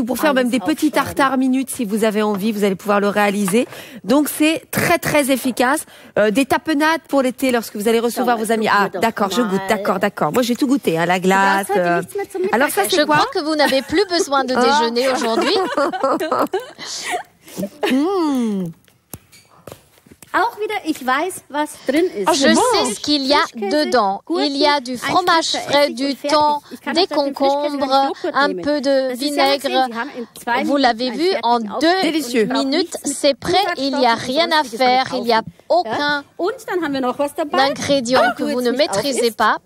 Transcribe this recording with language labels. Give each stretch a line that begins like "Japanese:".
French: Ou pour faire même des petits tartares minutes si vous avez envie, vous allez pouvoir le réaliser. Donc c'est très très efficace. Des tapenades pour l'été lorsque vous allez recevoir vos amis. Ah d'accord, je goûte, d'accord, d'accord. Moi j'ai tout goûté, hein, la glace. Alors ça c'est quoi ? Je crois que vous n'avez plus besoin de déjeuner aujourd'hui. Mmh.
German: Auch wieder, ich weiß, was drin ist.
French: Je sais ce qu'il y a dedans. Il y a du fromage frais, du thon, des concombres, un peu de vinaigre. Vous l'avez vu, en deux minutes, c'est prêt. Il n'y a rien à faire. Il n'y a aucun ingrédient que vous ne maîtrisez pas.